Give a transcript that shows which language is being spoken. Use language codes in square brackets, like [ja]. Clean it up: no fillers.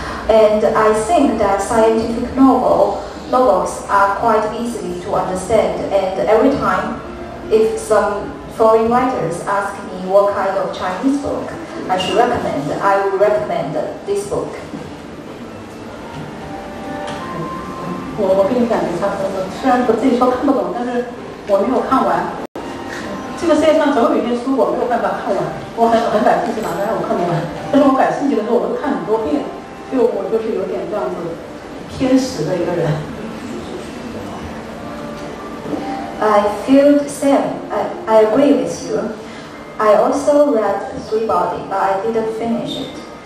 [en] And I think that scientific novels are quite easy to understand. And every time, if some foreign writers ask me what kind of Chinese book I should recommend, I would recommend this book. [zh] 我跟你感觉差不多，虽然不自己说看不懂，但是我没有看完。这个世界上总有一些书我没有办法看完，我很感兴趣，但是我看很多遍，就我就是有点这样子偏食的一个人。 [en] I feel the same. I agree with you. I also read Three Body, but I didn't finish it.